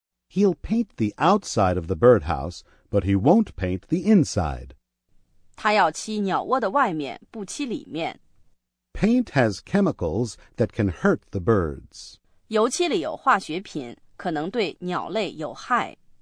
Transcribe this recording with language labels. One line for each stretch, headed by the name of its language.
English: He'll paint the outside of the birdhouse, but he won't paint the inside.
Chinese: 他要漆鸟窝的外面，不漆里面。
English: Paint has chemicals that can hurt the birds.
Chinese: 油漆里有化学品，可能对鸟类有害。